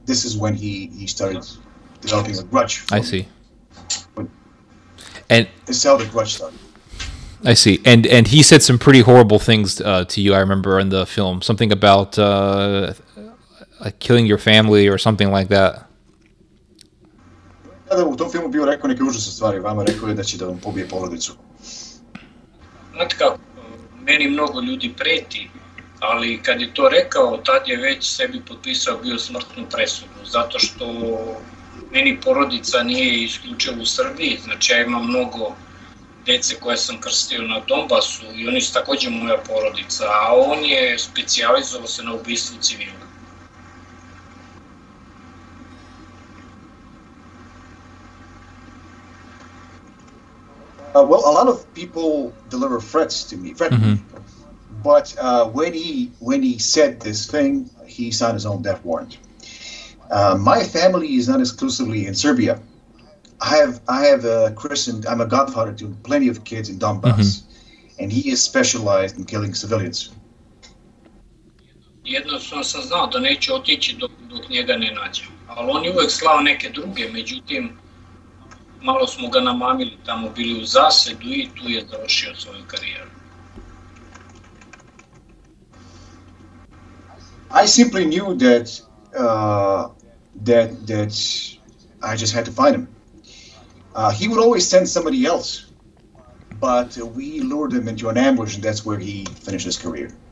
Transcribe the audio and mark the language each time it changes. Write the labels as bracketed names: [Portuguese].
[English] This is when he started developing a grudge. I see. And he said some pretty horrible things to you, I remember, in the film. Something about killing your family or something like that. [Serbian] Da u tom filmu bio rekao neke užasne stvari, vama rekao je da će da vam pobije porodicu. Znate kako, meni mnogo ljudi preti, ali kad je to rekao, tad je već sebi potpisao bio smrtnu presudu, zato što meni porodica nije isključivo u Srbiji, znači ja imam mnogo dece koje sam krstio na Donbasu i oni su također moja porodica, a on je specijalizovao se na ubistvu civila. [English] A lot of people deliver threats to me, but when he said this thing, he signed his own death warrant. My family is not exclusively in Serbia. I have a christened, I'm a godfather to plenty of kids in Donbass, and he is specialized in killing civilians. [Serbian] Jedno sam znao da neće otići dok njega ne nađe, ali on je uvek slao neke druge, međutim, malo smo ga namamili, tamo bili u zasedu i tu je završio svoju karijeru. [English] I simply knew that I just had to find him. He would always send somebody else, but we lured him into an ambush and that's where he finished his career.